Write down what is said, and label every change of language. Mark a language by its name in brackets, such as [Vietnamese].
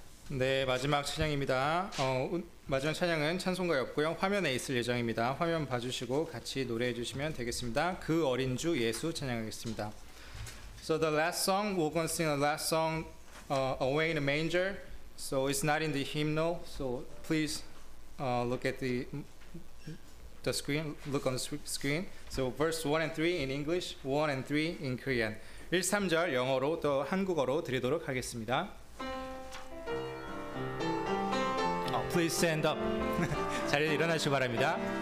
[Korean] 네, 마지막 찬양입니다. 마지막 찬양은 찬송가였고요. 화면에 있을 예정입니다. 화면 봐주시고 같이 노래해 주시면 되겠습니다. 그 어린 주 예수 찬양하겠습니다. [English] So the last song, we're going to sing the last song, Away in the Manger. So it's not in the hymnal. So please look at the screen, look on the screen. So verse 1 and 3 in English, 1 and 3 in Korean. [Korean] 1, 3절 영어로 또 한국어로 드리도록 하겠습니다. [English] Please stand up. [Korean] 자리에 일어나시기 바랍니다.